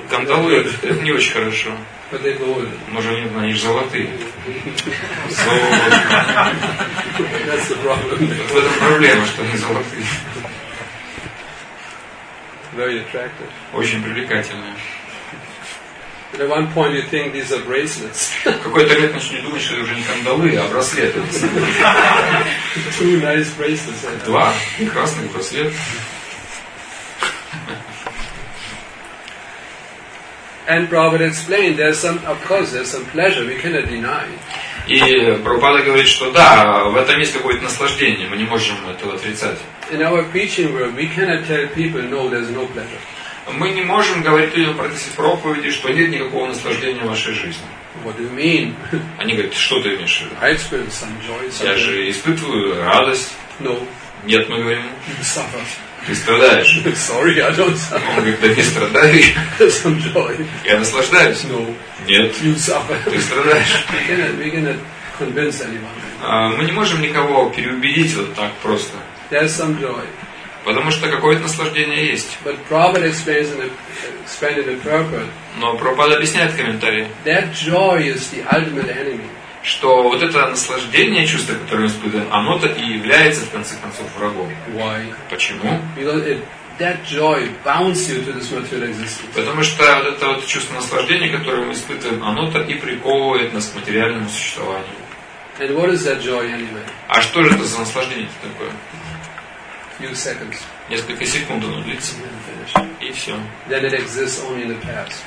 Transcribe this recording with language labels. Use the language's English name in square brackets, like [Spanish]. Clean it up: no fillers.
[Russian] Кандалы это не очень хорошо. [English] But they gold. [Russian] Может, они же золотые. [English] That's the problem. [Russian] В этом проблема, что они золотые. [English] Very attractive. [Russian] Очень привлекательные. [English] At one point you think these are bracelets. [Russian] Какой-то момент начнешь думать, что это уже не кандалы, а браслеты. [English] Two nice bracelets. [Russian] Два красных браслета. [English] And Prabhupada explained, there's some pleasure we cannot deny. [Russian] И Прабхупада говорит, что да, в этом есть какое-то наслаждение, мы не можем этого отрицать. [English] In our preaching world, we cannot tell people no, there's no pleasure. [Russian] мы не можем говорить людям в процессе проповеди, что нет никакого наслаждения в вашей жизни. [English] What do you mean? [Russian] Они говорят, что ты имеешь в виду? [English] I experience some joy. [Russian] Я же испытываю радость. [English] No. [Russian] Нет, мы говорим. [English] You suffer. [Russian] Ты страдаешь. [English] Sorry, I don't suffer. [Russian] Он говорит, да не страдай. [English] Some joy. [Russian] Я наслаждаюсь. [English] No. [Russian] Нет. [English] You suffer. [Russian] Ты страдаешь. [English] We cannot convince anyone. [Russian] Мы не можем никого переубедить вот так просто. [English] There's some joy. [Russian] Потому что какое-то наслаждение есть. [English] But Prabhupada explains in expanded interpret. [Russian] Но Прабхупада объясняет в комментарии. [English] That joy is the ultimate enemy. [Russian] Что вот это наслаждение, чувство, которое мы испытываем, оно-то и является в конце концов врагом. [English] Why? [Russian] Почему? [English] Because that joy bounds you to this material existence. [Russian] Потому что вот это вот чувство наслаждения, которое мы испытываем, оно-то и приковывает нас к материальному существованию. [English] And what is that joy anyway? [Russian] А что же это за наслаждение такое? [English] Few seconds. [Russian] Несколько секунд оно длится. И все. [English] Then it exists only in the past.